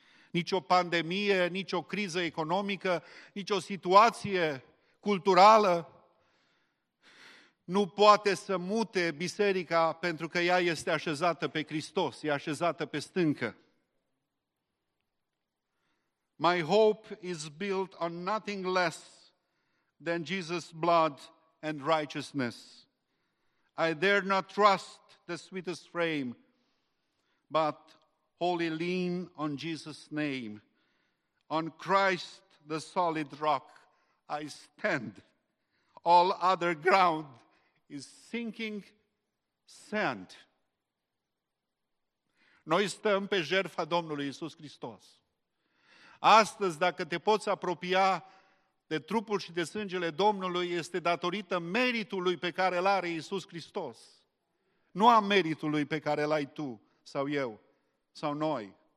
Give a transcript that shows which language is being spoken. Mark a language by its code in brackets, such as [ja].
[ro] Nici o pandemie, nici o criză economică, nici o situație culturală nu poate să mute biserica, pentru că ea este așezată pe Hristos, e așezată pe stâncă. [en] My hope is built on nothing less than Jesus' blood and righteousness. I dare not trust the sweetest frame, but wholly lean on Jesus' name. On Christ, the solid rock, I stand. All other ground is sinking sand. [ro] Noi stăm pe jertfa Domnului Iisus Hristos. Astăzi, dacă te poți apropia de trupul și de sângele Domnului, este datorită meritului pe care îl are Iisus Hristos. Nu a meritului pe care îl ai tu sau eu sau noi.